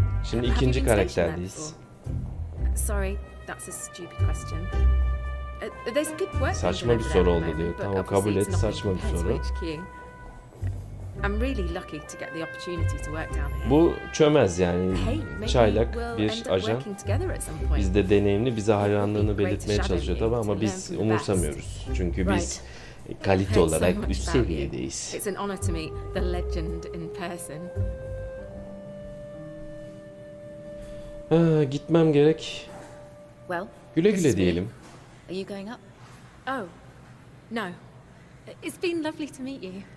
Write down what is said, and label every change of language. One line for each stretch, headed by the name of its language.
Turkish: Şimdi ikinci karakterdeyiz.
English: Sorry, that's a stupid question. There's good work.
Turkish: Saçma bir soru oldu diyor. Tamam, kabul et, saçma bir soru.
English: I'm really lucky to get the opportunity to work down here.
Turkish: Bu çömez yani, çaylak bir ajan. Biz de deneyimli, bize hayranlığını belirtmeye çalışıyor tabii ama biz umursamıyoruz. Çünkü biz kalite olarak üst seviyedeyiz.
English: It's an honor to meet the legend in person.
Turkish: Gitmem gerek.
English: Well,
Turkish: güle güle diyelim.
English: Are you going up? Oh. No. It's been lovely to meet you.